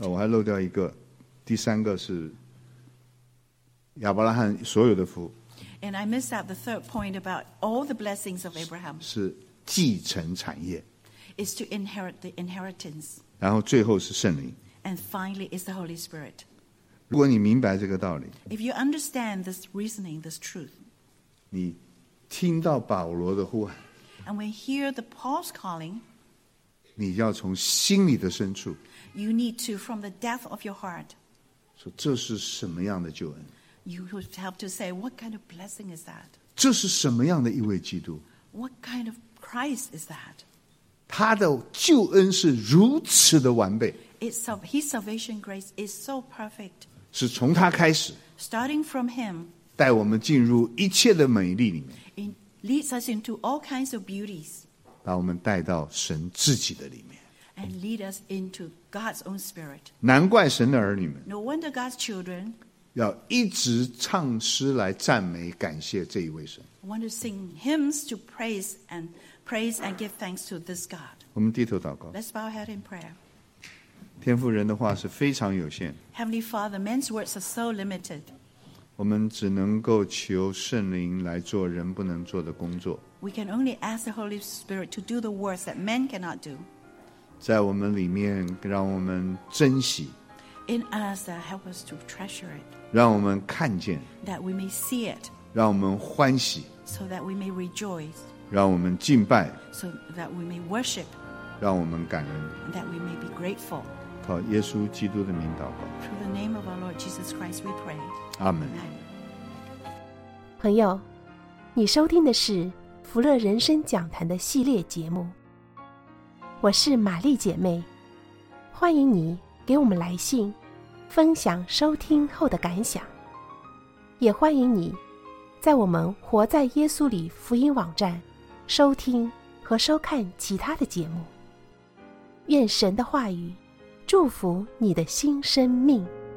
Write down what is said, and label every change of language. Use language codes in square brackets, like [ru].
[zh] 哦、我还漏掉一个第三个是亚伯拉罕所有的福 [en] And I missed out the third point about all the blessings of Abraham [zh] 是继承产业 [en] Is to inherit the inheritance [zh] 然后最后是圣灵 [en] And finally is the Holy Spirit [zh] 如果你明白这个道理 [en] If you understand this reasoning, this truth [zh] 你听到保罗的呼喊 [en] And when you hear the Paul's calling [zh] 你要从心里的深处 [en] You need to from the depth of your heart [zh] 说这是什么样的救恩 [en] You have to say what kind of blessing is that [zh] 这是什么样的一位基督 [en] What kind of Christ is that [zh] 他的救恩是如此的完备。 [en] His salvation grace is so perfect. [zh] 是从他开始。 [en] Starting from him. [zh] 带我们进入一切的美丽里面。 [en] It leads us into all kinds of beauties. [zh] 把我们带到神自己的里面。 [en] And lead us into God's own spirit. [zh] 难怪神的儿女们。 [en] No wonder God's children. [zh] 要一直唱诗来赞美感谢这一位神。 [en] I want to sing hymns to praise and give thanks to this God. [zh] 我们低头祷告。 [en] Let's bow our head in prayer. [zh] 天父，人的话是非常有限。 [en] Heavenly Father, men's words are so limited. [zh] 我们只能够求圣灵来做人不能做的工作。 [en] We can only ask the Holy Spirit to do the works that men cannot do. [zh] 在我们里面，让我们珍惜。 [en] In us, help us to treasure it. [zh] 让我们看见。 [en] That we may see it. [zh] 让我们欢喜。 [en] So that we may rejoice. [zh] 让我们敬拜 [en] so that we may worship, [zh] 让我们感恩 [en] that we may be grateful, [zh] 靠耶稣基督的名祷告 [en] through the name of our Lord Jesus Christ we pray Amen [zh] 朋友你收听的是福乐人生讲坛的系列节目我是玛丽姐妹欢迎你给我们来信分享收听后的感想也欢迎你在我们活在耶稣里福音网站收听和收看其他的节目愿神的话语祝福你的新生命